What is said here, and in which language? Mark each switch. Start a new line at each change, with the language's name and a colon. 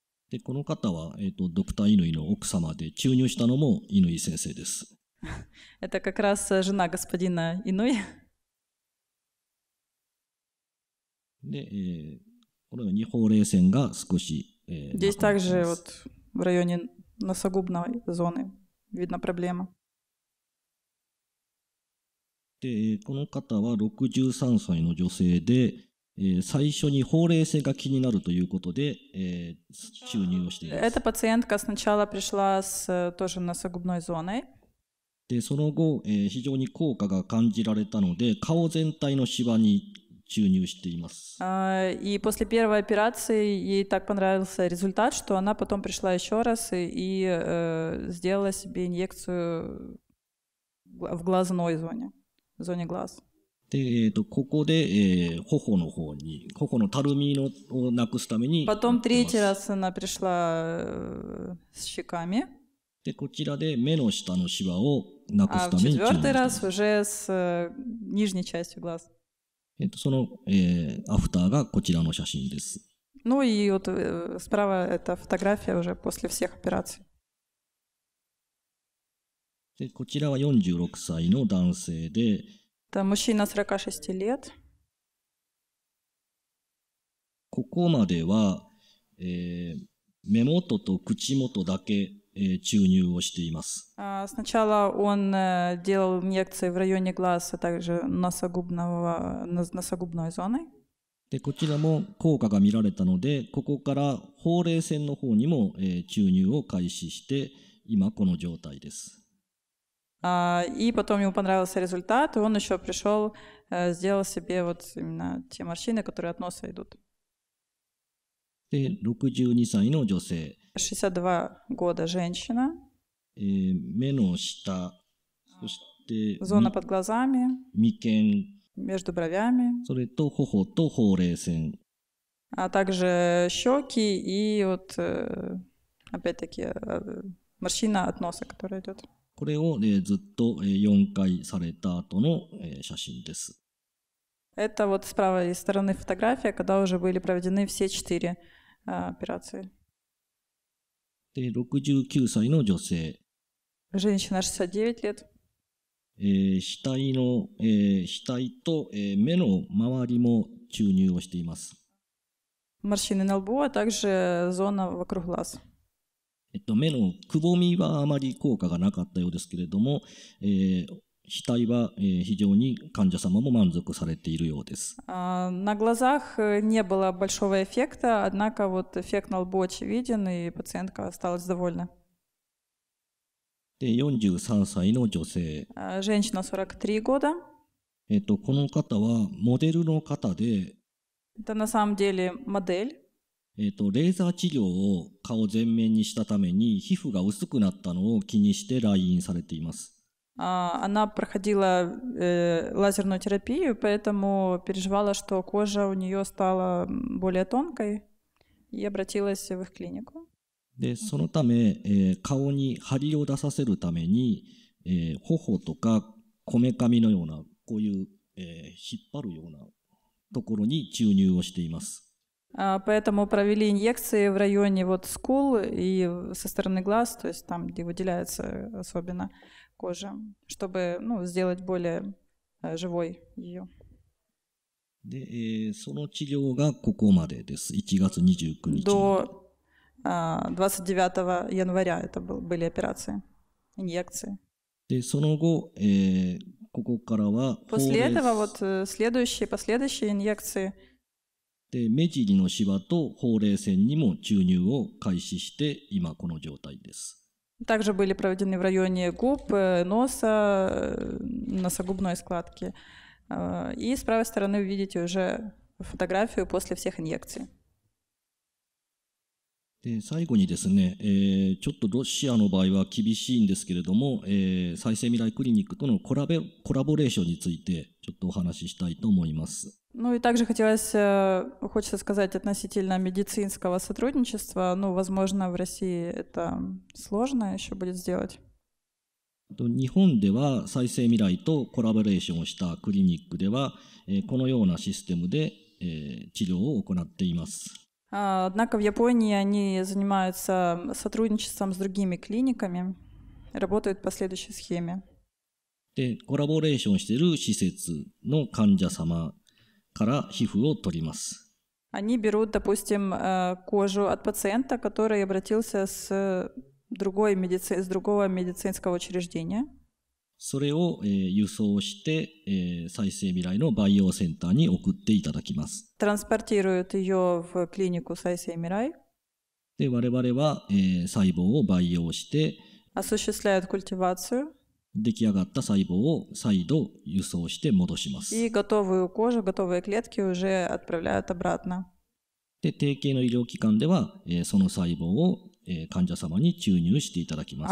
Japanese: で、この方は、ドクターイヌイの奥様で、注入したのもイヌイ先生です。
Russian: Это как раз жена господина Инуй.
Japanese: で、このようにほうれい線が少し、
Russian: Здесь также вот в районе носогубной зоны. Видна проблема.
Japanese: で、この方は63歳の女性で、最初にほうれい線が気になるということで、注入をしています。
Russian: Эта пациентка сначала пришла с тоже носогубной зоной.
Japanese: で、その後、非常に効果が感じられたので、顔全体のシワに注入しています。
Russian: И после первой операции ей так понравился результат, что она потом пришла еще раз и сделала себе инъекцию в глазной зоне, в зоне глаз.
Japanese: で、ここで、頬の方に、頬のたるみのをなくすために。
Russian: Потом третий раз она пришла с щеками.
Japanese: で、こちらで目の下のシワをなくすために注入してます。
Russian: А в четвертый раз уже с нижней частью глаз.
Japanese: その、アフターがこちらの写真です。
Russian: Ну и вот справа это фотография уже после всех операций.
Japanese: で、こちらは46歳の男性で。
Russian: Это мужчина 46 лет.
Japanese: ここまでは、目元と口元だけ、注入をしています。
Russian: Сначала он делал инъекции в районе глаз, а также носогубной зоны.
Japanese: で、こちらも効果が見られたので、ここからほうれい線の方にも、注入を開始して、今この状態です。
Russian: И потом ему понравился результат, он еще пришел, сделал себе вот именно те морщины, которые от носа идут.
Japanese: で、62歳の女性。
Russian: 62 года женщина.
Japanese: 目の下、そして
Russian: зона под глазами,
Japanese: 眉間、
Russian: между бровями,
Japanese: それと頬とほうれい線、
Russian: あ、также щеки и вот опять-таки морщина от носа, которая идет.
Japanese: これを、ずっと、4回された後の、写真です。
Russian: Это вот с правой стороны фотография, когда уже были проведены все 4 операции.
Japanese: で、69歳の女性。
Russian: Женщина 69 лет.
Japanese: 額と、目の周りも注入をしています。
Russian: Морщины на лбу, а также зона вокруг глаз.
Japanese: 目のくぼみはあまり効果がなかったようですけれども、死体は非常に患者様も満足されているようです。
Russian: На глазах не было большого эффекта, однако вот эффект на лбу очевиден, и пациентка осталась довольна.
Japanese: で、43歳の女性。
Russian: Женщина 43 года.
Japanese: この方はモデルの方で。
Russian: Это на самом деле модель.
Japanese: レーザー治療を顔全面にしたために皮膚が薄くなったのを気にして来院されています。
Russian: Она проходила лазерную терапию, поэтому переживала, что кожа у нее стала более тонкой и обратилась в их клинику.
Japanese: で、そのため、顔に張りを出させるために、頬とかこめかみのようなこういう、引っ張るようなところに注入をしています。
Russian: Поэтому провели инъекции в районе вот скул и со стороны глаз, то есть там, где выделяется особенно кожа, чтобы ну, сделать более живой ее.
Japanese: で、その治療がここまでです。 1月29日。
Russian: До 29 января это были операции, инъекции.
Japanese: で、その後、ここからは。
Russian: После этого вот последующие инъекции.
Japanese: で目尻のシワとほうれい線にも注入を開始して今この状態です。
Russian: также были проведены в районе губ, носа, носогубной складки. И с правой стороны вы видите уже фотографию после всех инъекций.
Japanese: で最後にですね、ちょっとロシアの場合は厳しいんですけれども、再生未来クリニックとのコラボレーションについてちょっとお話ししたいと思います。
Russian: Ну и также хочется сказать относительно медицинского сотрудничества, ну, возможно, в России это сложно еще будет сделать.
Japanese: 日本では再生未来とコラボレーションをしたクリニックでは、このようなシステムで、治療を行っています。
Russian: Однако в Японии они занимаются сотрудничеством с другими клиниками, работают по следующей схеме.
Japanese: で、コラボレーションしている施設の患者様から皮膚を取ります。
Russian: Они берут, допустим, кожу от пациента, который обратился с другого медицинского учреждения.
Japanese: それを輸送して再生未来の培養センターに送っていただきます。
Russian: Транспортируют ее в клинику 再生未来.
Japanese: で、我々は細胞を培養して
Russian: осуществляют культивацию.
Japanese: 出来上がった細胞を再度輸送して戻します。
Russian: И готовую кожу, готовые клетки уже отправляют обратно.
Japanese: で、提携の医療機関では、その細胞を、患者様に注入していただきます。